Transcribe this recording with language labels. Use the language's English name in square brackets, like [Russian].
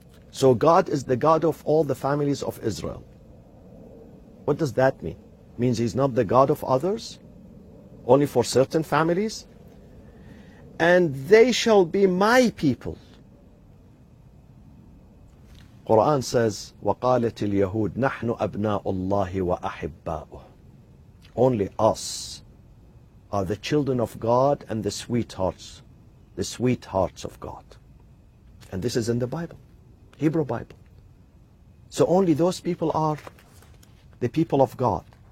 [English] So God is the God of all the families of Israel. What does that mean? It means he's not the God of others, only for certain families. And they shall be my people. Quran says, [Arabic] وَقَالَتِ الْيَهُودِ نَحْنُ أَبْنَاءُ اللَّهِ وَأَحِبَّاؤُهُ. [English] Only us are the children of God and the sweethearts of God. And this is in the Bible, Hebrew Bible. So only those people are the people of God.